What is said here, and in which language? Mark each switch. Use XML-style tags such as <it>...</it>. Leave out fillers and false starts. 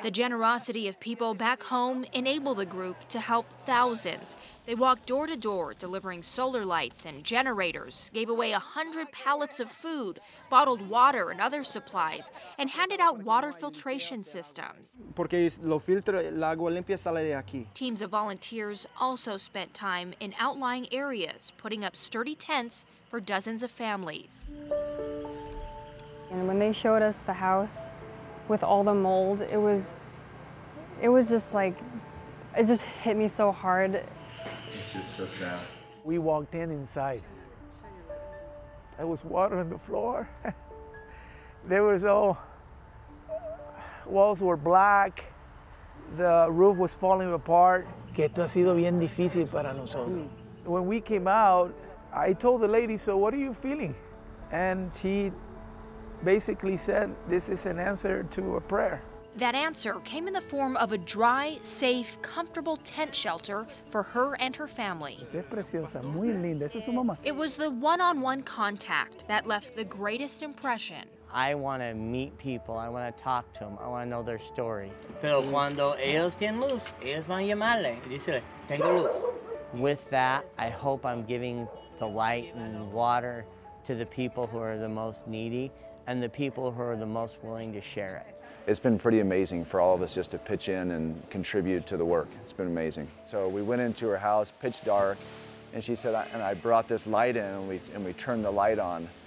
<en>The generosity of people back home enabled the group to help thousands. They walked door to door delivering solar lights and generators, gave away 100 pallets of food, bottled water and other supplies, and handed out water filtration systems.</en> <es>Porque lo filtra, el agua limpia sale de aquí.</es> <en>Teams of volunteers also spent time in outlying areas, putting up sturdy tents for dozens of families. And when they showed us the house with all the mold, it was just like, it just hit me so hard. It's just so sad. We walked in inside. There was water on the floor. There was all, walls were black. The roof was falling apart.</en> <es>Que esto ha sido bien difícil para nosotros.</es> <en>When we came out, I told the lady, so what are you feeling? And she basically said, this is an answer to a prayer. That answer came in the form of a dry, safe, comfortable tent shelter for her and her family. It was the one-on-one contact that left the greatest impression. I want to meet people. I want to talk to them. I want to know their story.</en> <es>Pero cuando ellos tienen luz, ellos van a llamarle. Dice, tengo luz.</es> <en>With that, I hope I'm giving the light and water to the people who are the most needy and the people who are the most willing to share it. It's been pretty amazing for all of us just to pitch in and contribute to the work. It's been amazing. So we went into her house, pitch dark, and she said, I brought this light in, and we turned the light on.</en>